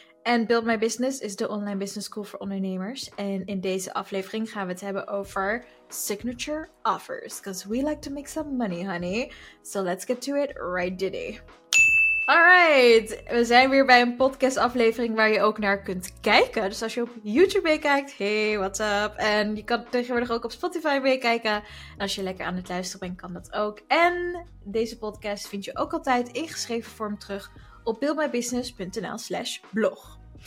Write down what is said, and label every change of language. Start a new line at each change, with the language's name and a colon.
Dutch: En Build My Business is de online business school voor ondernemers. En in deze aflevering gaan we het hebben over signature offers.
English: Because we like to make some money, honey. So let's get to it right diddy.
Dutch: Alright, we zijn weer bij een podcast aflevering waar je ook naar kunt kijken. Dus als je op YouTube meekijkt,
English: hey, what's up?
Dutch: En je kan tegenwoordig ook op Spotify meekijken. En als je lekker aan het luisteren bent, kan dat ook. En deze podcast vind je ook altijd in geschreven vorm terug op buildmybusiness.nl/blog.